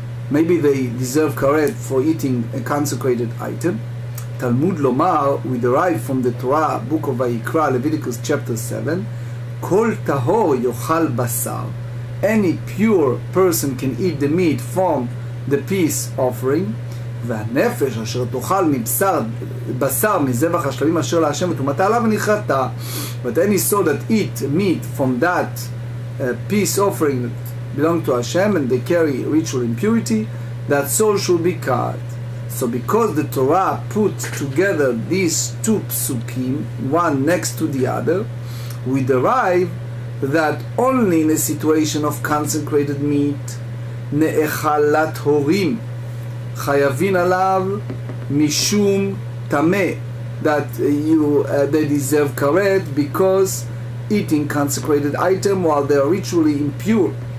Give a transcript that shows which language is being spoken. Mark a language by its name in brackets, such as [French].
[English] Maybe they deserve karet for eating a consecrated item. [Hebrew] Talmud Lomar, [English] we derive from the Torah, Book of Vayikra, Leviticus chapter 7, [Hebrew] Kol Tahor Yochal Basar. [English] Any pure person can eat the meat from the peace offering. [Hebrew] והנפש אשר תאכל מבשר בשר מזבח השלמים אשר להשם ותומתה עליו נכרתה. [English] But any soul that eat meat from that peace offering that belong to Hashem and they carry ritual impurity, that soul should be cut. So because the Torah put together these two psukim, one next to the other, we derive that only in a situation of consecrated meat, [Hebrew] ne'echalat horim, chayavin alav, mishum tameh, [English] that they deserve karet because eating consecrated item while they are ritually impure,